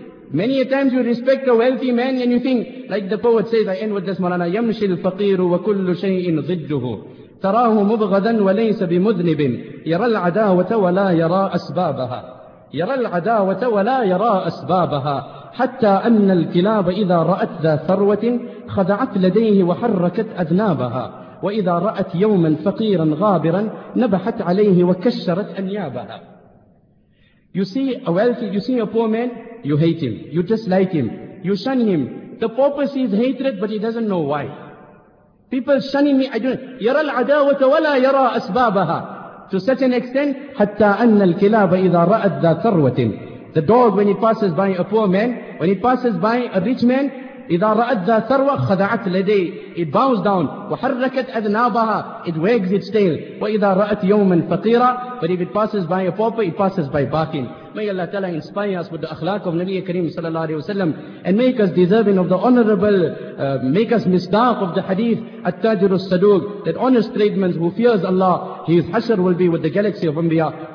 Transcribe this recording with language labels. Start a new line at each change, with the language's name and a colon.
English: Many a times you respect a wealthy man and you think, like the poet says, I end with this,
Arabic: Marana, يَمْشِي الْفَقِيرُ وَكُلُّ شَيْءٍ ضِدُّهُ تَرَاهُ مُبْغَدًا وَلَيْسَ بِمُذْنِبٍ يَرَى الْعَدَاوَةَ وَلَا يَرَى أَسْبَابَهَا يرى العداوة ولا يرى أسبابها حتى أن الكلاب إذا رأت ذا ثروة خدعت لديه وحركت أذنابها وإذا رأت يوما فقيرا غابرا نبحت عليه وكشرت أنيابها.
English: You see a wealthy, you see a poor man, you hate him, you dislike him, you shun him. The purpose is hatred, but he doesn't know why. People shunning me, I don't know.
Arabic: يرى العداوة ولا يرى أسبابها.
English: To such an extent,
Arabic: حتى أن الكلاب إذا رأت ذا ثروة.
English: The dog, when it passes by a poor man, when it passes by a rich man,
Arabic: إذا رأت ذا ثروة خدعت لديه.
English: It bows down.
Arabic: وحركت أذنابها.
English: It wags its tail.
Arabic: وإذا رأت يوما فقيرا.
English: But if it passes by a pauper, it passes by barking. May Allah Ta'ala inspire us with the akhlaq of Nabi Kareem sallallahu alayhi wa sallam and make us deserving of the honorable, make us misdaq of the hadith At-Tajir al-Saduq, that honest tradesman who fears Allah, his hashr will be with the galaxy of Anbiya.